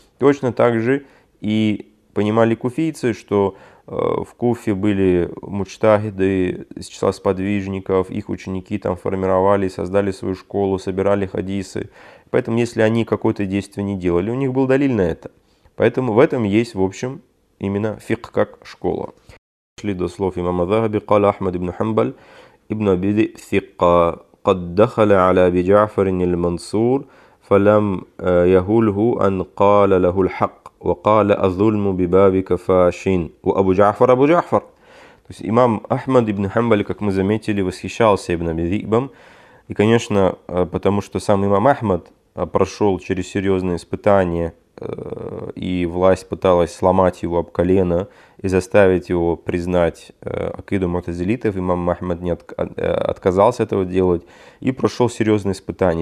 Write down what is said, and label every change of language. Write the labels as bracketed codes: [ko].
[ru] Точно так же и понимали куфийцы, что в Куфе были мучтахиды из числа сподвижников, их ученики там формировали, создали свою школу, собирали хадисы. Поэтому, если они какое-то действие не делали, у них был далиль на это. Поэтому в этом есть, в общем, именно фик как школа. Шли до слов имама Захаби, [ar] قَالَ أحمد بن حنبل ابن أبي ذئب ثقة قد دخل على أبي جعفر المنصور فلم يهوله أن قال له الحق وقال الظلم ببابك فاشين وأبو جعفر أبو جعفر. [ru] То есть имам Ахмад ибн Хамбаль, как мы заметили, восхищался ибн Аби Зибом. И, конечно, потому что сам имам Ахмад прошел через серьезные испытания и власть пыталась сломать его об колено и заставить его признать акиду мутазилитов, имам Махмад не отказался этого делать и прошел серьезные испытания.